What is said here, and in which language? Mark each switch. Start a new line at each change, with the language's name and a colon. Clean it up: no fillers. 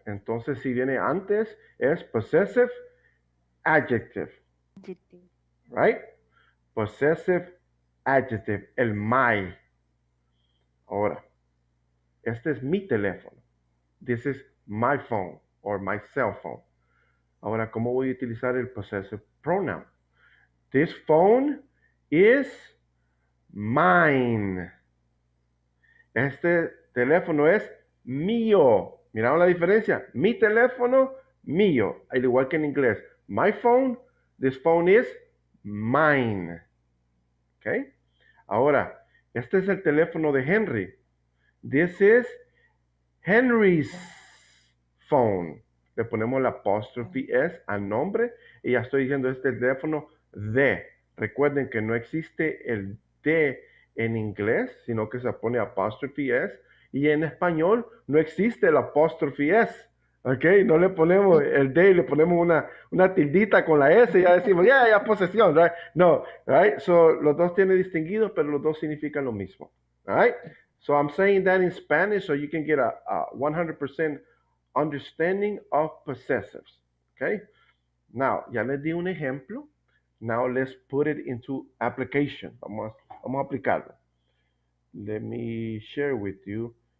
Spanish: Entonces, si viene antes, es possessive adjective. Right? Possessive adjective. El my. Ahora, este es mi teléfono.
English: This is my phone or my cell phone.
Spanish: Ahora, ¿cómo voy a utilizar el possessive pronoun?
English: This phone is mine.
Spanish: Este teléfono es mío. ¿Miraron la diferencia? Mi teléfono, mío. Al igual que en inglés.
English: My phone, this phone is mine.
Spanish: ¿Ok? Ahora, este es el teléfono de Henry.
English: This is Henry's phone.
Spanish: Le ponemos la apostrophe S al nombre y ya estoy diciendo este teléfono de. Recuerden que no existe el de en inglés, sino que se pone apostrophe S. Y en español no existe el apostrophe S. ¿Ok? No le ponemos el de y le ponemos una tildita con la S y ya decimos, ya, ya posesión, ¿right? No, ¿right? So, los dos tienen distinguidos, pero los dos significan lo mismo.
English: ¿Right? So, I'm saying that in Spanish so you can get a 100% understanding of possessives. ¿Ok? Now,
Spanish: ya les di un ejemplo.
English: Now, let's put it into application.
Spanish: Vamos a aplicarlo.
English: Let me share with you.